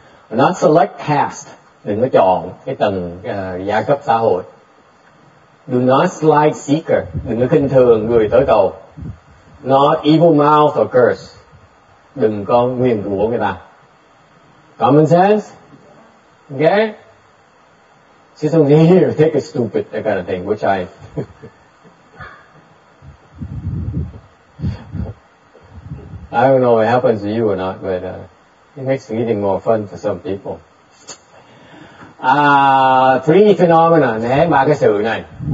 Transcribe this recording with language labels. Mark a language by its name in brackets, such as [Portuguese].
[English] Not select caste. [Vietnamese] Đừng có chọn cái tầng giai cấp xã hội. [English] Do not slight seeker. [Vietnamese] Đừng có khinh thường người tới cầu. [English] Not evil mouth or curse. [Vietnamese] Đừng có nguyền rủa người ta. [English] Common sense? Okay? She doesn't need to take a stupid that kind of thing, which I... I don't know if it happens to you or not, but it makes reading more fun for some people. Three phenomena, [Vietnamese] ba cái sự này.